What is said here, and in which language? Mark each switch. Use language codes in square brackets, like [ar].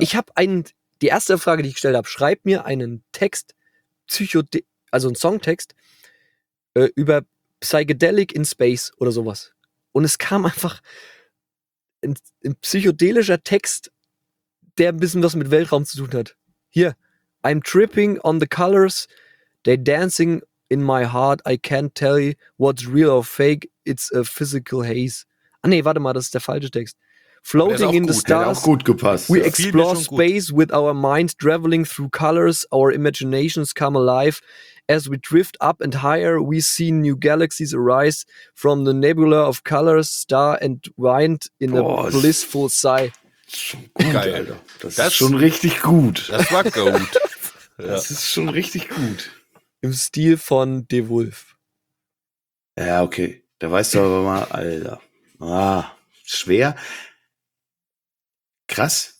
[de] Ich habe die erste Frage, die ich gestellt habe, schreib mir einen Text, also einen Songtext, über Psychedelic in Space oder sowas. Und es kam einfach ein psychedelischer Text, der ein bisschen was mit Weltraum zu tun hat. Hier, [en] I'm tripping on the colors, they dancing in my heart, I can't tell you what's real or fake, it's a physical haze. [de] Ah nee, warte mal, das ist der falsche Text. [en] Floating in the stars, [de] gut gepasst, [en] we explore space with our minds, traveling through colors, our imaginations come alive. As we drift up and higher, we see new galaxies arise from the nebula of colors, star and wind in a blissful sigh. [de] Gut, geil, Alter. Das ist schon richtig gut. Das war gut. Das ist schon richtig gut. Im Stil von De Wolf. Ja, okay. Da weißt du aber mal, Alter. Ah, schwer. Krass.